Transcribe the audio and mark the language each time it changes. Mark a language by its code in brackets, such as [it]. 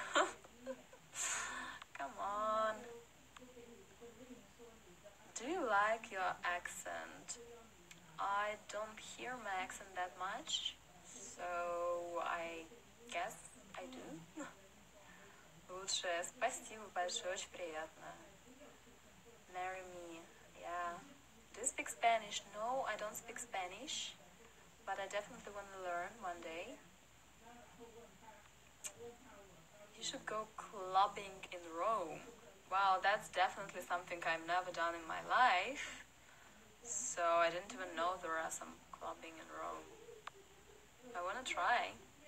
[en] Come on. Do you like your accent? I don't hear my accent that much, so I guess I do. [ru] Лучше. Спасибо большое, очень приятно. [en] Marry me. Yeah. Do you speak Spanish? No, I don't speak Spanish. But I definitely want to learn one day. You should go clubbing in Rome. Wow, that's definitely something I've never done in my life. So I didn't even know there are some clubbing in Rome. I want to try.